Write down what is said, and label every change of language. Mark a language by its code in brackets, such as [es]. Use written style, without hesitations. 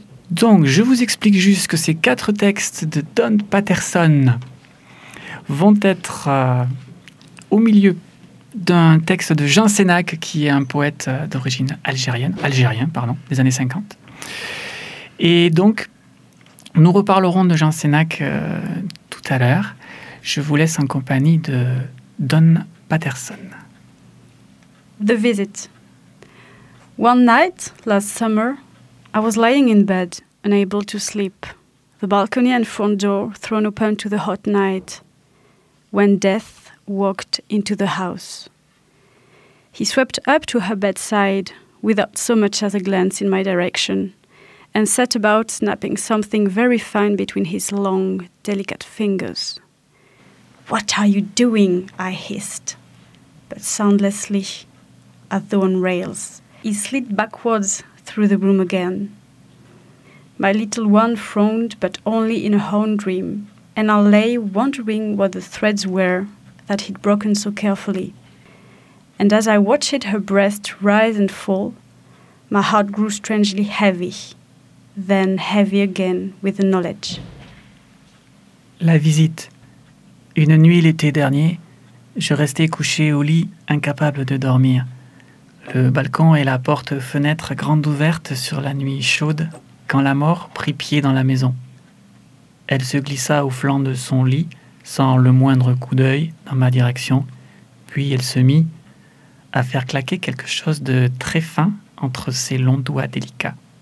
[fr] Donc, je vous explique juste que ces quatre textes de Don Patterson vont être au milieu d'un texte de Jean Sénac, qui est un poète d'origine algérien, des années 50. Et donc, nous reparlerons de Jean Sénac tout à l'heure. Je vous laisse en compagnie de Don Patterson. [en] The visit. One night, last summer, I was lying in bed, unable to sleep, the balcony and front door thrown open to the hot night, when death walked into the house. He swept up to her bedside without so much as a glance in my direction and set about snapping something very fine between his long, delicate fingers. "What are you doing?" I hissed, but soundlessly, at the one rails. He slid backwards through the room again. My little one frowned, but only in a home dream, and I lay wondering what the threads were that he'd broken so carefully. And as I watched her breast rise and fall, my heart grew strangely heavy, then heavy again with the knowledge. [fr] La visite. Une nuit l'été dernier, je restais couché au lit, incapable de dormir. Le balcon et la porte-fenêtre grande ouverte sur la nuit chaude, quand la mort prit pied dans la maison. Elle se glissa au flanc de son lit, sans le moindre coup d'œil dans ma direction, puis elle se mit à faire claquer quelque chose de très fin entre ses longs doigts délicats.